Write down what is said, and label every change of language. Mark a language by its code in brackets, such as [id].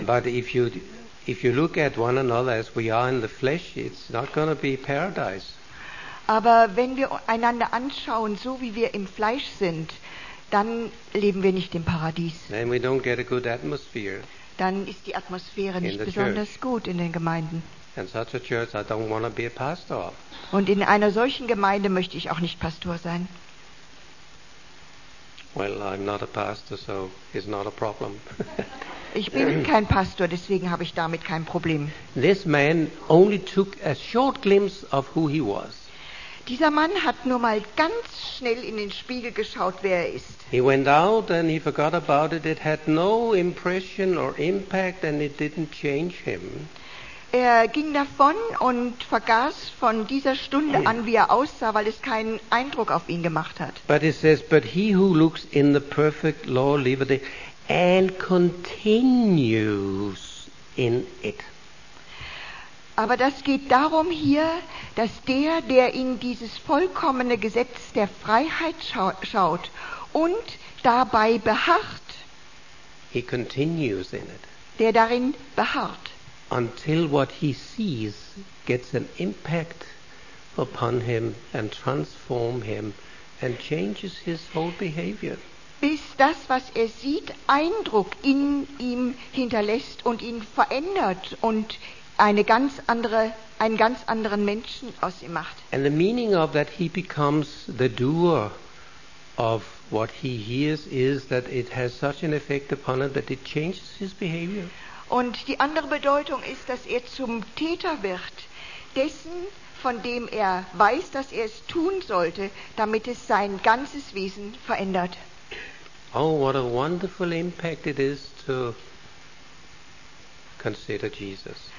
[en] But if you look at one another as we are in the flesh, it's not going to be paradise. [de] Aber wenn wir einander anschauen, so wie wir im Fleisch sind, dann leben wir nicht im Paradies. [en] And we don't get a good atmosphere. [de] dann ist die Atmosphäre nicht besonders gut in den Gemeinden. [en] In such a church, I don't want to be a pastor. [de] Und in einer solchen Gemeinde möchte ich auch nicht Pastor sein. [en] Well, I'm not a pastor, so it's not a problem. [de] Ich bin kein Pastor, deswegen habe ich damit kein Problem. [en] This man only took a short glimpse of who he was. [de] Dieser Mann hat nur mal ganz schnell in den Spiegel geschaut, wer er ist. [en] He went out and he forgot about it. It had no impression or impact and it didn't change him. [de] Er ging davon und vergaß von dieser Stunde an, wie er aussah, weil es keinen Eindruck auf ihn gemacht hat. [en] But it says, but he who looks in the perfect law liberty and continues in it. [de] Aber das geht darum hier, dass der in dieses vollkommene Gesetz der Freiheit schaut und dabei beharrt. [en] He continues in it. [de] Der darin beharrt. [en] Until what he sees gets an impact upon him and transforms him and changes his whole behavior. [de] Bis das, was er sieht, Eindruck in ihm hinterlässt und ihn verändert und einen ganz anderen Menschen aus ihm macht. [en] And the meaning of that he becomes the doer of what he hears is that it has such an effect upon him that it changes his behavior. [de] Und die andere Bedeutung ist, dass er zum Täter wird, dessen, von dem er weiß, dass er es tun sollte, damit es sein ganzes Wesen verändert. [en] Oh, what a wonderful impact it is to consider Jesus.